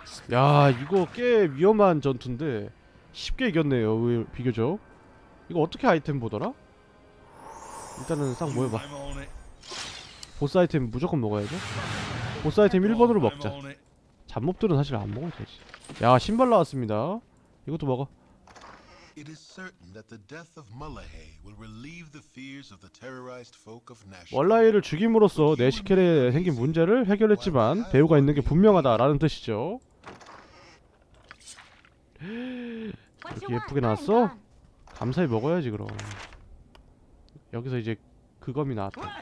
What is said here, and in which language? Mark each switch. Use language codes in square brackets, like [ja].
[ko] 야 이거 꽤 위험한 전투인데 쉽게 이겼네요. 비교적. 이거 어떻게 아이템 보더라? 일단은 싹 모여봐. 보스 아이템 무조건 먹어야죠. 보스 아이템 1번으로 먹자. 잡몹들은 사실 안 먹어도 되지. 야 신발 나왔습니다. 이것도 먹어. [en] It is certain that the death of Malahe will relieve the fears of the terrorized folk of Nashor. [ko] 월라이를 죽임으로써 네시켈에 생긴 문제를 해결했지만 배후가 있는 게 분명하다라는 뜻이죠. 그렇게 예쁘게 나왔어? 감사히 먹어야지 그럼. 여기서 이제 그 검이 나왔다.